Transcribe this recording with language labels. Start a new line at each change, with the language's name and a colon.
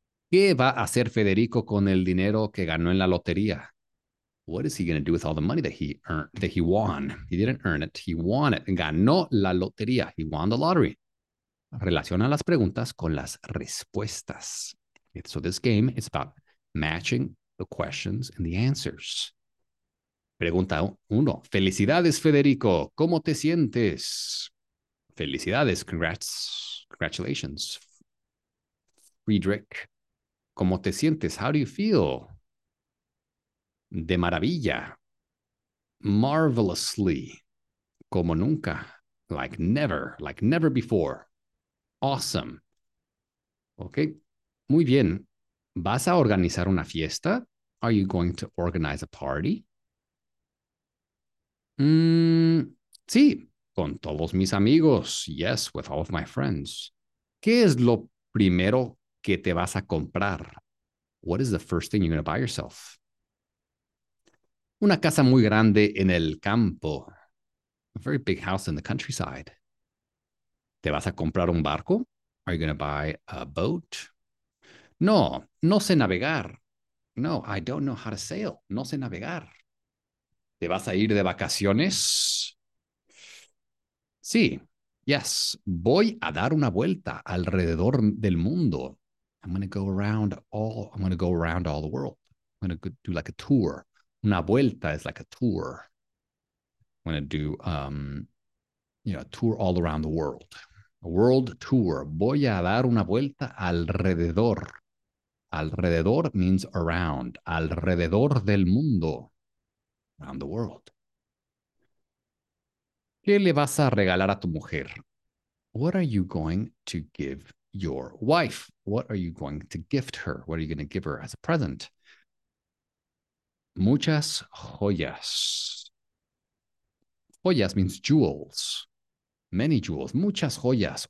Spanish: ¿Qué va a hacer Federico con el dinero que ganó en la lotería?
English: What is he going to do with all the money that he won? He didn't earn it. He won it.
Spanish: Ganó la lotería.
English: He won the lottery.
Spanish: Relaciona las preguntas con las respuestas.
English: So this game is about matching the questions and the answers.
Spanish: Pregunta uno. Felicidades, Federico. ¿Cómo te sientes? Felicidades.
English: Congrats. Congratulations. Friedrich.
Spanish: ¿Cómo te sientes?
English: How do you feel?
Spanish: De maravilla.
English: Marvelously.
Spanish: Como nunca.
English: Like never. Like never before. Awesome. Ok.
Spanish: Muy bien. ¿Vas a organizar una fiesta?
English: Are you going to organize a party?
Spanish: Sí, con todos mis amigos.
English: Yes, with all of my friends.
Spanish: ¿Qué es lo primero que te vas a comprar?
English: What is the first thing you're going to buy yourself?
Spanish: Una casa muy grande en el campo.
English: A very big house in the countryside.
Spanish: ¿Te vas a comprar un barco?
English: Are you going to buy a boat?
Spanish: No, no sé navegar.
English: No, I don't know how to sail.
Spanish: No sé navegar. ¿Te vas a ir de vacaciones? Sí, yes. Voy a dar una vuelta alrededor del mundo.
English: I'm going to go around all the world. I'm going to do like a tour.
Spanish: Una vuelta
English: is like a tour. I'm going to do, a tour all around the world. A world tour.
Spanish: Voy a dar una vuelta alrededor.
English: Alrededor means around.
Spanish: Alrededor del mundo.
English: Around the world.
Spanish: ¿Qué le vas a regalar a tu mujer?
English: What are you going to give your wife? What are you going to gift her? What are you going to give her as a present?
Spanish: Muchas joyas. Joyas means jewels.
English: Many jewels.
Spanish: Muchas joyas.